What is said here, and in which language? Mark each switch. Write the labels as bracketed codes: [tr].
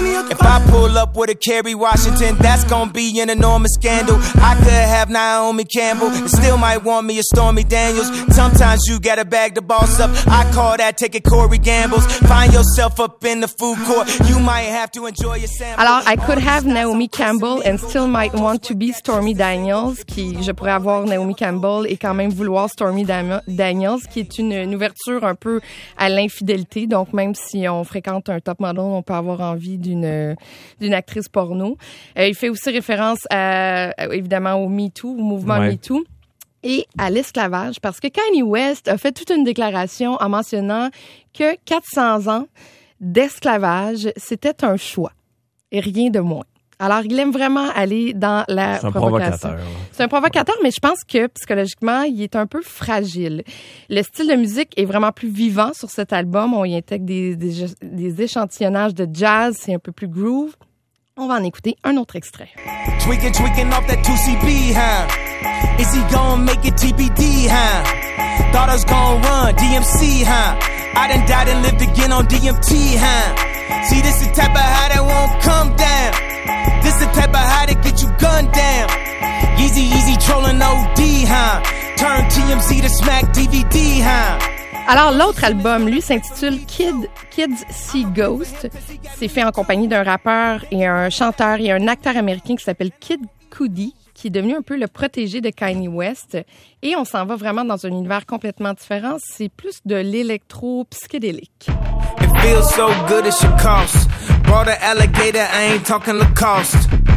[en] If I pull up with a Kerry Washington, that's gonna be an enormous scandal. I could have Naomi Campbell, and still might want me a Stormy Daniels. Sometimes you gotta bag the boss up. I call that taking Corey Gambles. Find yourself up in the food court. You might have to enjoy your sandwich. [fr] Alors, [en] I could have Naomi Campbell and still might want to be Stormy Daniels, [fr] qui je pourrais avoir Naomi Campbell et quand même vouloir Stormy Daniels, qui est une ouverture un peu à l'infidélité. Donc même si on fréquente un top model, on peut avoir envie d'une actrice porno. Il fait aussi référence à, évidemment au Me Too, au mouvement ouais. Me Too et à l'esclavage parce que Kanye West a fait toute une déclaration en mentionnant que 400 ans d'esclavage, c'était un choix et rien de moins. Alors, il aime vraiment aller dans la provocation. C'est un provocateur. C'est un provocateur, mais je pense que psychologiquement, il est un peu fragile. Le style de musique est vraiment plus vivant sur cet album. On y intègre des échantillonnages de jazz. C'est un peu plus groove. On va en écouter un autre extrait. [en] Tweaking, tweaking off that 2CB, huh? Is he gonna make it TBD, huh? Daughter's gonna run, DMC, huh? I done died and lived again on DMT, huh? See, this is the type of high that won't come down. This the type of high that get you gunned down. Easy, easy trolling OD, huh? Turn TMZ to smack DVD, huh? [fr] Alors, l'autre album, lui, s'intitule Kids See Ghost. C'est fait en compagnie d'un rappeur et un chanteur et un acteur américain qui s'appelle Kid Cudi, qui est devenu un peu le protégé de Kanye West. Et on s'en va vraiment dans un univers complètement différent. C'est plus de l'électro-psychédélique. [en] It feels so good it should cost. Brought an alligator, I ain't talking Lacoste.